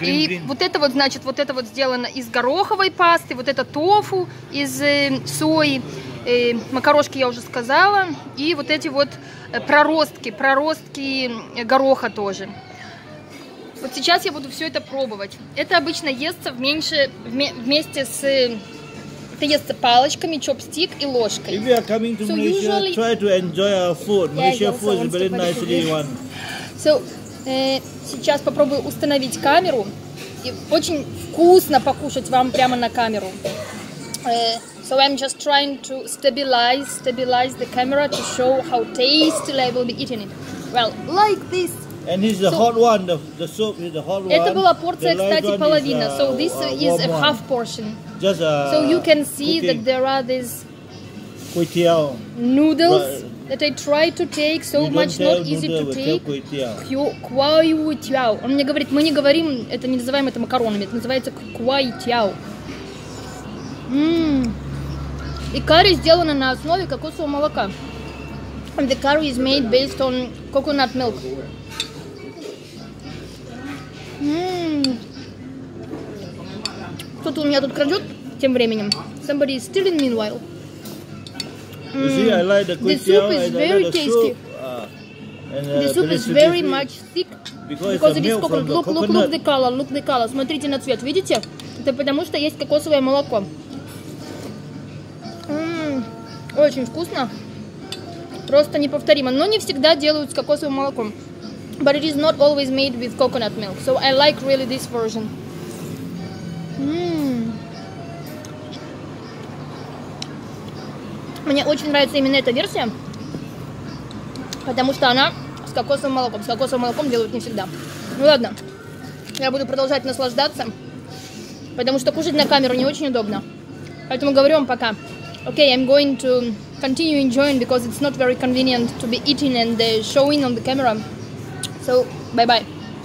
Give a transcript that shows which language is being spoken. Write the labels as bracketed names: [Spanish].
[Russian] И вот это вот, значит, вот это вот сделано из гороховой пасты, вот это тофу из сои, макарошки я уже сказала, и вот эти вот проростки гороха тоже. Вот сейчас я буду все это пробовать. Это обычно естся вместе с... Это ест палочками, чопстик и ложкой. [English] If you are coming to Malaysia, try to enjoy our food. Malaysia food is very nicely one. [Russian] So, сейчас попробую установить камеру. И очень вкусно покушать вам прямо на камеру. [English] So I'm just trying to stabilize the camera to show how tasty I will be eating it. Well, like this. And this is the hot one. The soup is the hot one. [Russian] Это была порция, кстати, половина. [English] So this is a half portion. Just a so you can see that there are these kuai tiao noodles that I try to take. So much not easy to take. Kuai tiao. [Russian] Он мне говорит, мы не говорим, это не называем это макаронами, это называется kuai tiao. И карри сделано на основе кокосового молока. [English] And the curry is made based on coconut milk. [Russian] Кто-то у меня тут крадет тем временем. [English] Somebody is stealing meanwhile. You see, I like the kuai tiao. The soup is very tasty. And, the soup is very much thick. Because it is coconut. Look the color, look the color. [Russian] Смотрите на цвет, видите? Это потому что есть кокосовое молоко. Очень вкусно. Просто неповторимо. Но не всегда делают с кокосовым молоком. [English] But it is not always made with coconut milk. So I like really this version. [Russian] Мне очень нравится именно эта версия, потому что она с кокосовым молоком. С кокосовым молоком делают не всегда. Ну ладно, я буду продолжать наслаждаться, потому что кушать на камеру не очень удобно. Поэтому говорю вам пока. [English] Okay, I'm going to continue enjoying because it's not very convenient to be eating and showing on the camera. So, bye-bye.